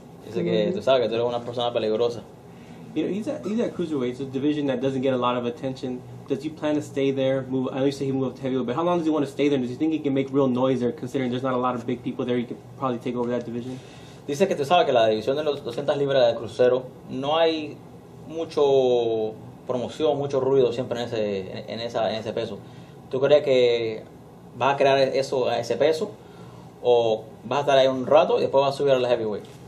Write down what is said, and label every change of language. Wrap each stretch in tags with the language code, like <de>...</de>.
<es>Dice que tú sabes que tú eres una persona peligrosa.</es> <en>You know, he's at cruiserweight. It's a division that doesn't get a lot of attention. Does he plan to stay there? Move? I know you say he moved to heavyweight, but how long does he want to stay there? And does he think he can make real noise there, considering there's not a lot of big people there? He could probably take over that division.</en> <es>Dice que tú sabes que la división de los 200 libras de crucero no hay mucho promoción, mucho ruido siempre en ese peso. ¿Tú crees que va a crear eso a ese peso o va a estar ahí un rato y después va a subir a la heavyweight?</es>